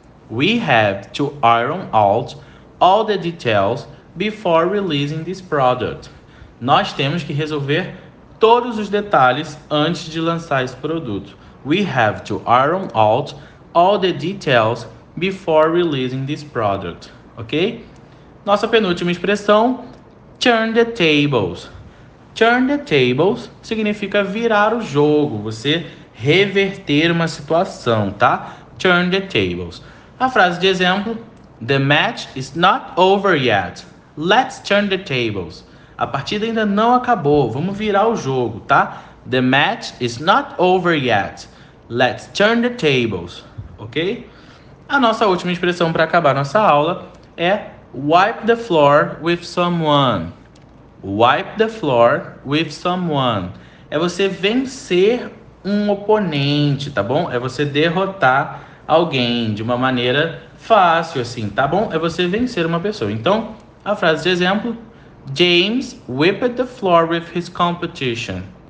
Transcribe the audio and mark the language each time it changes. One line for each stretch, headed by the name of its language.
English: We have to iron out all the details before releasing this product.
Portuguese: Nós temos que resolver todos os detalhes antes de lançar esse produto.
English: We have to iron out all the details before releasing this product, ok?
Portuguese: Nossa penúltima expressão,
English: turn the tables. Turn the tables
Portuguese: significa virar o jogo, você reverter uma situação, tá? Turn the tables. A frase de exemplo,
English: The match is not over yet. Let's turn the tables.
Portuguese: A partida ainda não acabou, vamos virar o jogo, tá?
English: The match is not over yet. Let's turn the tables, ok?
Portuguese: A nossa última expressão para acabar nossa aula é
English: wipe the floor with someone. Wipe the floor with someone.
Portuguese: É você vencer um oponente, tá bom? É você derrotar alguém de uma maneira fácil, assim, tá bom? É você vencer uma pessoa. Então, a frase de exemplo:
English: James wiped the floor with his competition.